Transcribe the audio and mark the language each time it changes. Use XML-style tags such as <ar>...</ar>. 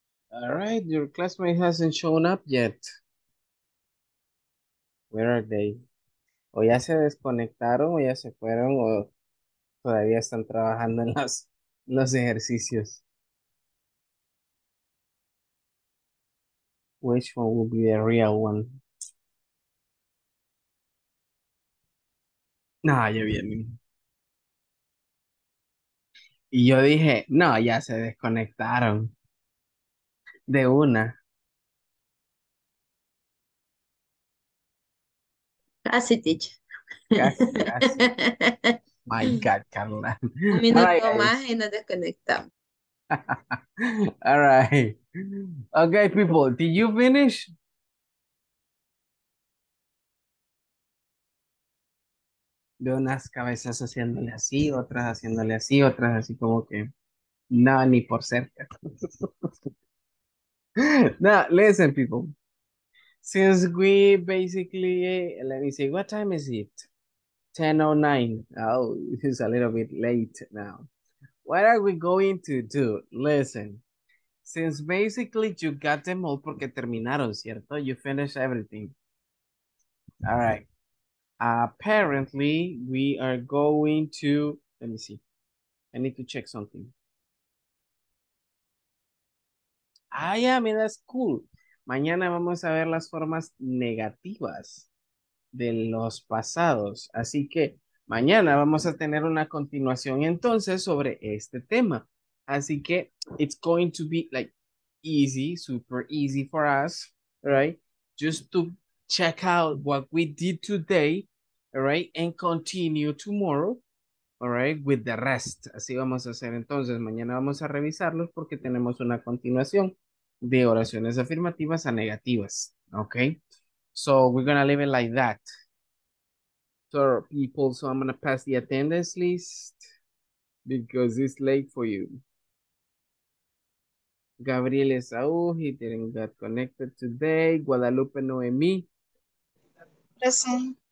<en>All right, your classmate hasn't shown up yet. Where are they?</en> <es>O ya se desconectaron, o ya se fueron, o todavía están trabajando en los ejercicios.</es> <en>Which one will be the real one?</en> <es>No, ya vienen. Y yo dije, no, ya se desconectaron. De una. Casi, teacher. Casi, casi.</es> <en>My God, Carla.</en> <es>Un minuto más y nos desconectamos.</es> <en>All right. Okay, people, did you finish?</en> <es>Veo unas cabezas haciéndole así, otras haciéndole así, otras así como que nada, ni por cerca.</es> <en>Now, listen, people. Since we basically, let me see, what time is it? 10:09. Oh, it's a little bit late now. What are we going to do? Listen, since basically you got them all</en> <es>porque terminaron, ¿cierto?</es> <en>You finished everything. All right. Apparently, we are going to, let me see. I need to check something. Ah, yeah, I mean, that's cool.</en> <es>Mañana vamos a ver las formas negativas de los pasados. Así que mañana vamos a tener una continuación entonces sobre este tema. Así que</es> <en>it's going to be like easy, super easy for us, right? Just to check out what we did today, right? And continue tomorrow, all right, with the rest.</en> <es>Así vamos a hacer entonces. Mañana vamos a revisarlos porque tenemos una continuación de oraciones afirmativas a negativas, okay?</es> <en>So we're gonna leave it like that. So people, so I'm gonna pass the attendance list because it's late for you. Gabriel Esau, he didn't get connected today. Guadalupe Noemi. Present.</en>